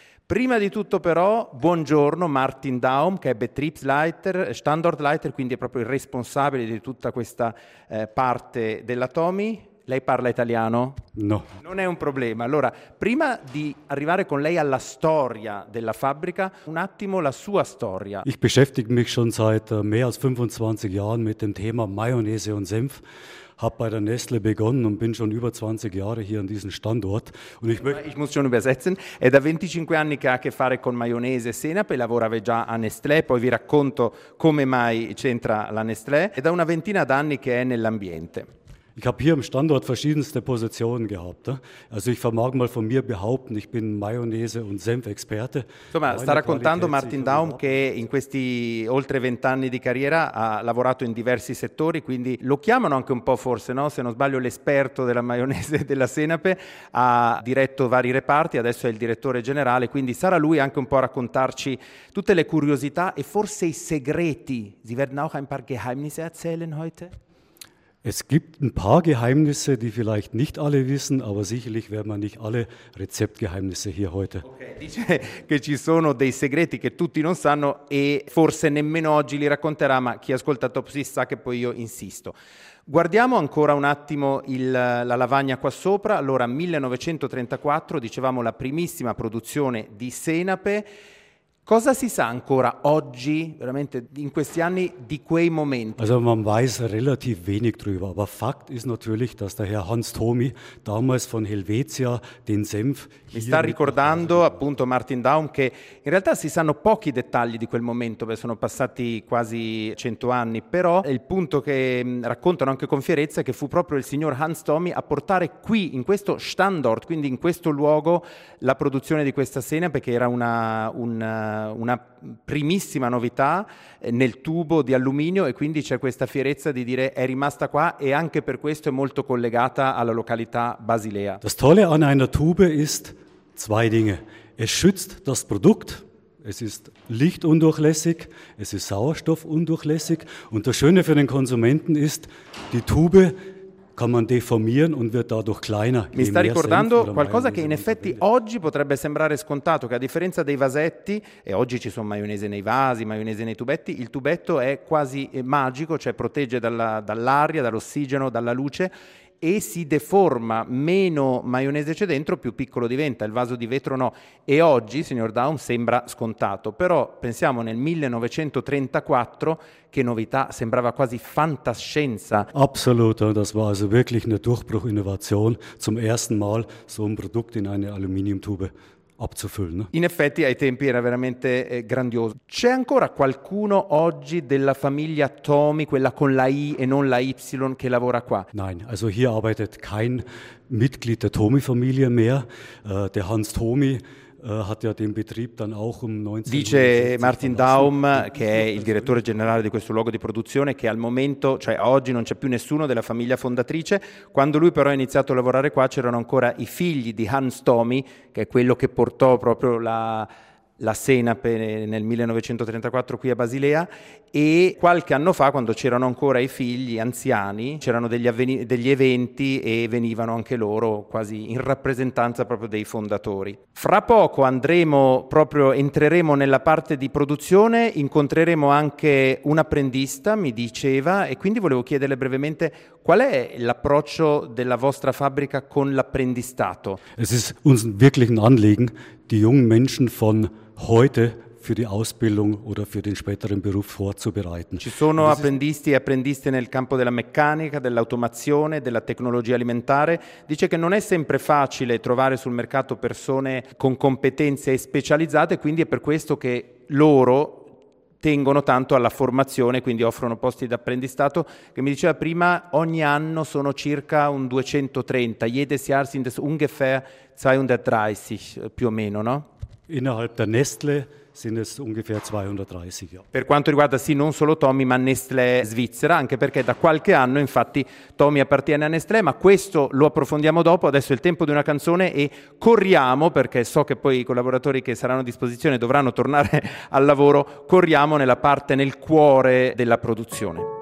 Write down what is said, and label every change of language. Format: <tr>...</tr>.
<it>Prima di tutto però, buongiorno Martin Daum, che è Betriebsleiter, Standortleiter, quindi è proprio il responsabile di tutta questa parte della Thomy. Lei parla italiano? No. Non è un problema. Allora, prima di arrivare con lei alla storia della fabbrica, un attimo la sua storia.</it> <de>Ich beschäftige mich schon seit mehr als 25 Jahren mit dem Thema Mayonnaise und Senf. Habe bei der Nestle begonnen und bin schon über 20 Jahre hier an diesem Standort. Und ich muss schon übersetzen.</de> <it>È da 25 anni che ha a che fare con maionese e senape, lavorava già a Nestlé, poi vi racconto come mai c'entra la Nestlé. È da una ventina d'anni che è nell'ambiente.</it> <de>Ich habe hier im Standort verschiedenste Positionen gehabt. Also ich vermag mal von mir behaupten, ich bin Mayonnaise- und Senfexperte.</de> <it>Insomma, sta raccontando Martin Daum che in questi oltre 20 anni di carriera ha lavorato in diversi settori, quindi lo chiamano anche un po' forse, no? Se non sbaglio, l'esperto della maionese e della senape, ha diretto vari reparti, adesso è il direttore generale, quindi sarà lui anche un po' a raccontarci tutte le curiosità e forse i segreti.</it> <de>Sie werden auch ein paar Geheimnisse erzählen heute? Es gibt ein paar Geheimnisse, die vielleicht nicht alle wissen, aber sicherlich werden wir nicht alle Rezeptgeheimnisse hier heute.</de> <it>Okay, dice che ci sono dei segreti che tutti non sanno e forse nemmeno oggi li racconterà, ma chi ascolta Top Swiss sa che poi io insisto. Guardiamo ancora un attimo la lavagna qua sopra. Allora, 1934, dicevamo la primissima produzione di senape. Cosa si sa ancora oggi, veramente in questi anni, di quei momenti?</it> <de>Also man weiß relativ wenig drüber, aber Fakt ist natürlich, dass der Herr Hans Thomy damals von Helvetia den Senf</de> <it>mi sta ricordando appunto Martin Daum che in realtà si sanno pochi dettagli di quel momento, perché sono passati quasi 100 anni, però il punto che raccontano anche con fierezza è che fu proprio il signor Hans Thomy a portare qui, in questo Standort, quindi in questo luogo, la produzione di questa senape, perché era una primissima novità nel tubo di alluminio, e quindi c'è questa fierezza di dire è rimasta qua, e anche per questo è molto collegata alla località Basilea.</it> <de>Das Tolle an einer Tube ist zwei Dinge. Es schützt das Produkt. Es ist lichtundurchlässig, es ist sauerstoffundurchlässig, und das Schöne für den Konsumenten ist, die Tube kann man deformieren und wird dadurch kleiner.</de> <it>Mi sta ricordando qualcosa che in effetti oggi potrebbe sembrare scontato, che a differenza dei vasetti, e oggi ci sono maionese nei vasi, maionese nei tubetti, il tubetto è quasi magico, cioè protegge dall'aria, dall'ossigeno, dalla luce, e si deforma, meno maionese c'è dentro, più piccolo diventa, il vaso di vetro no. E oggi, signor Daum, sembra scontato, però pensiamo nel 1934, che novità, sembrava quasi fantascienza.</it> <de>Absoluto, das war also wirklich eine Durchbruchinnovation, zum ersten Mal so ein Produkt in eine Aluminiumtube.</de> <it>In effetti ai tempi era veramente grandioso. C'è ancora qualcuno oggi della famiglia Tomy, quella con la I e non la Y, che lavora qua?</it> <de>Nein, also hier arbeitet kein Mitglied der Tomy-Familie mehr. Der Hans Tomy hat ja den Betrieb dann auch um 1970.</de> <it>Dice Martin Daum, che è il direttore generale di questo luogo di produzione, che al momento, cioè oggi, non c'è più nessuno della famiglia fondatrice. Quando lui però ha iniziato a lavorare qua, c'erano ancora i figli di Hans Tomy, che è quello che portò proprio la senape nel 1934 qui a Basilea, e qualche anno fa, quando c'erano ancora i figli anziani, c'erano degli eventi e venivano anche loro quasi in rappresentanza proprio dei fondatori. Fra poco entreremo nella parte di produzione, incontreremo anche un apprendista, mi diceva, e quindi volevo chiederle brevemente qual è l'approccio della vostra fabbrica con l'apprendistato.</it> <de>Es ist uns wirklich ein Anliegen, die jungen Menschen von heute für die Ausbildung oder für den späteren Beruf vorzubereiten.</de> <it>Ci sono apprendisti e apprendiste nel campo della meccanica, dell'automazione, della tecnologia alimentare. Dice che non è sempre facile trovare sul mercato persone con competenze specializzate, quindi è per questo che loro tengono tanto alla formazione, quindi offrono posti d'apprendistato, che mi diceva prima ogni anno sono circa un 230,</it> <de>jedes Jahr sind es ungefähr 230,</de> <it>più o meno, no?</it> <de>Innerhalb der Nestle sind es ungefähr 230.</de> <it>Per quanto riguarda sì, non solo Tomy, ma Nestlé Svizzera, anche perché da qualche anno infatti Tomy appartiene a Nestlé, ma questo lo approfondiamo dopo. Adesso è il tempo di una canzone e corriamo, perché so che poi i collaboratori che saranno a disposizione dovranno tornare al lavoro, corriamo nella parte, nel cuore della produzione.</it>